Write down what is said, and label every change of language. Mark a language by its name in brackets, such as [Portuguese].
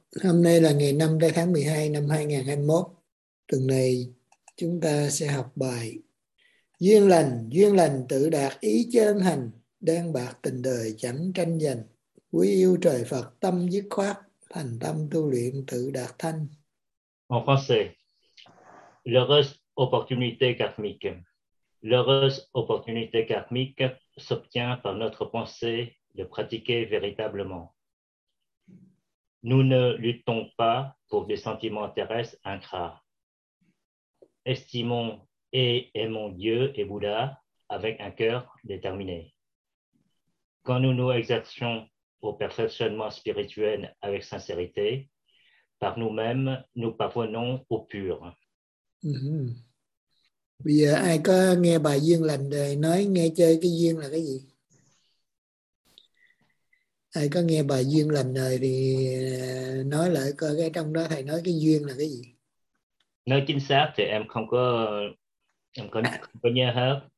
[Vietnamese] Hôm nay là ngày 5 tháng 12 năm 2021. Tuần này chúng ta sẽ học bài duyên lành tự đạt ý chân hành, đan bạc tình đời chẳng tranh giành. Quý yêu trời Phật tâm dứt khoát, thành tâm tu luyện tự đạt thanh. [French] En français, l'heureuse opportunité karmique. L'heureuse opportunité karmique s'obtient par notre pensée de pratiquer véritablement. Nous ne luttons pas pour des sentiments terrestres ingrats. Estimons et aimons Dieu et Bouddha avec un cœur déterminé. Quand nous nous exerçons au perfectionnement spirituel avec sincérité, par nous-mêmes, nous parvenons au pur. [Vietnamese] Bây giờ ai có nghe bài duyên lành rồi nói nghe chơi cái duyên là cái gì? Ai có nghe bài duyên lành rồi thì nói lại coi cái trong đó thầy nói cái duyên là cái gì? Nói chính xác thì em không có nghe hết.